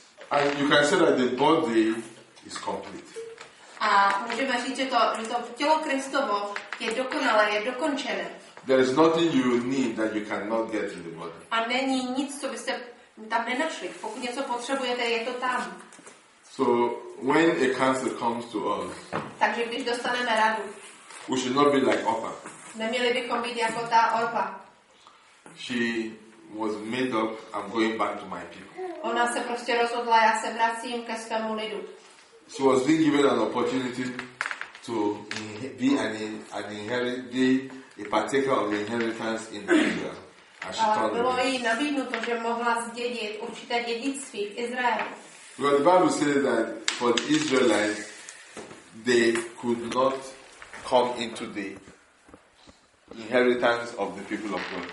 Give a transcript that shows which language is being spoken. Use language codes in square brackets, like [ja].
[en] And you can say that the body is complete. [cs] A můžeme říct, že to tělo Kristovo je dokonalé, je dokončené. [en] There is nothing you need that you cannot get in the body. [cs] A není nic, co byste tam nenašli. Pokud něco potřebujete, je to tam. [en] So when a cancer comes to us, [cs] takže když dostaneme radu, [en] we should not be like Orpa. [cs] Neměli bychom být jako ta Orpa. [en] She was made up, I'm going back to my people. [cs] Ona se prostě rozhodla, já se vracím ke svému lidu. [en] She was being given an opportunity to be an inherited, a partaker of the inheritance in Israel. [cs] Bylo jí nabídnuto, že mohla zdědit určité dědictví v Izraeli. [en] Because the Bible says that for the Israelites, they could not come into the inheritance of the people of God.